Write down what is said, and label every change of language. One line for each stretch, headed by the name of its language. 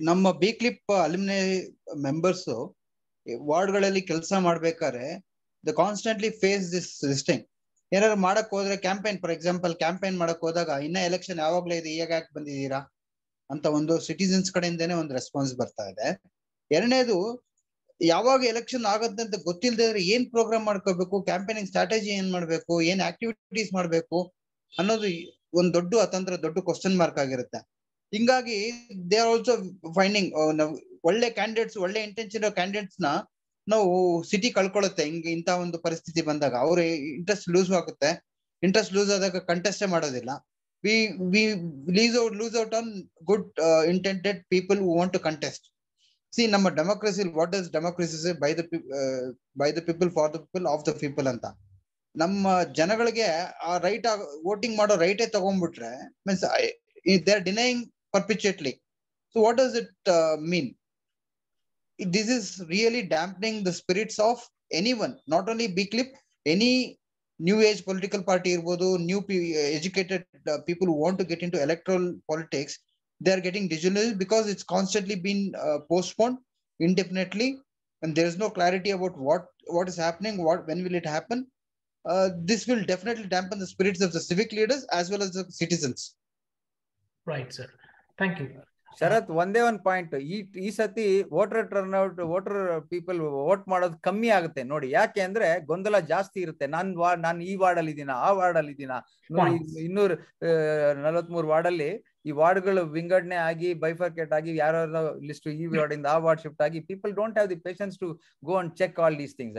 Kannada: Namma B-clip alumni members, ward-galalli kelsa madbekare,
English: they constantly face this thing.
Kannada: ಏನಾದ್ರು ಮಾಡಕ್ ಹೋದ್ರೆ campaign for example campaign ಮಾಡಕ್ ಹೋದಾಗ ಇನ್ನ ಎಲೆಕ್ಷನ್ ಯಾವಾಗ್ಲೇ ಇದೆ ಈಗ ಯಾಕೆ ಬಂದಿದ್ದೀರಾ ಅಂತ ಒಂದು ಸಿಟಿಜನ್ಸ್ ಕಡೆಯಿಂದನೇ ಒಂದು ರೆಸ್ಪಾನ್ಸ್ ಬರ್ತಾ ಇದೆ. ಎರಡನೇದು ಯಾವಾಗ ಎಲೆಕ್ಷನ್ ಆಗತ್ತೆ ಅಂತ ಗೊತ್ತಿಲ್ಲದೆ ಇದ್ರೆ ಏನ್ ಪ್ರೋಗ್ರಾಮ್ ಮಾಡ್ಕೋಬೇಕು, ಕ್ಯಾಂಪೇನಿಂಗ್ ಸ್ಟ್ರಾಟಜಿ ಏನ್ ಮಾಡ್ಬೇಕು, ಏನ್ ಆಕ್ಟಿವಿಟೀಸ್ ಮಾಡ್ಬೇಕು ಅನ್ನೋದು ಒಂದ್ ದೊಡ್ಡ ಅತಂತ್ರ ದೊಡ್ಡ ಕ್ವಶನ್ ಮಾರ್ಕ್ ಆಗಿರುತ್ತೆ. ಹಿಂಗಾಗಿ
English: they are also finding
Kannada: ಒಳ್ಳೆ ಕ್ಯಾಂಡಿಡೇಟ್ಸ್, ಒಳ್ಳೆ ಇಂಟೆನ್ಷನ್ ಇರೋ ಕ್ಯಾಂಡಿಡೇಟ್ಸ್ ನ ನಾವು ಸಿಟಿ ಕಳ್ಕೊಳ್ಳುತ್ತೆ. ಹಿಂಗೆ ಇಂಥ ಒಂದು ಪರಿಸ್ಥಿತಿ ಬಂದಾಗ ಅವ್ರ ಇಂಟ್ರೆಸ್ಟ್ ಲೂಸ್ ಆಗುತ್ತೆ. ಇಂಟ್ರೆಸ್ಟ್ ಲೂಸ್ ಆದಾಗ ಕಂಟೆಸ್ಟೇ ಮಾಡೋದಿಲ್ಲ.
English: We lose out on good intended people who want to contest. See ನಮ್ಮ democracy, what is democracy? By the people for the people of the people ಅಂತ.
Kannada: ನಮ್ಮ ಜನಗಳಿಗೆ ಆ ರೈಟ್ ವೋಟಿಂಗ್ ಮಾಡೋ ರೈಟೇ ತಗೊಂಡ್ಬಿಟ್ರೆ
English: Means they are denying perpetually. So what does it mean? This is really dampening the spirits of anyone, not only B-clip, any new age political party, new educated people who want to get into electoral politics, they are getting disillusioned because it's constantly been postponed indefinitely and there is no clarity about what is happening, when will it happen. This will definitely dampen the spirits of the civic leaders as well as the citizens. Right, sir. Thank you.
Kannada: ಶರತ್, ಒಂದೇ ಒಂದ್ point. ಈ ಸತಿ voter turn out, voter people vote ಮಾಡೋದು ಕಮ್ಮಿ ಆಗುತ್ತೆ ನೋಡಿ. ಯಾಕೆ ಅಂದ್ರೆ ಗೊಂದಲ ಜಾಸ್ತಿ ಇರುತ್ತೆ. ನಾನ್ ಈ ವಾರ್ಡ್ ಅಲ್ಲಿ ಇದೀನ, ಆ ವಾರ್ಡ್ ಅಲ್ಲಿ ಇದೀನ, ನೋಡಿ 243 ವಾರ್ಡ್ ಅಲ್ಲಿ ಈ ವಾರ್ಡ್ಗಳು ವಿಂಗಡಣೆ ಆಗಿ ಬೈಫರ್ಕೇಟ್ ಆಗಿ ಯಾರ್ಯಾರ ಲಿಸ್ಟ್ ಈ ವಾರ್ಡ್ ಇಂದ ಆ ವಾರ್ಡ್ ಶಿಫ್ಟ್ ಆಗಿ,
English: People don't have the patience to go and check all these things.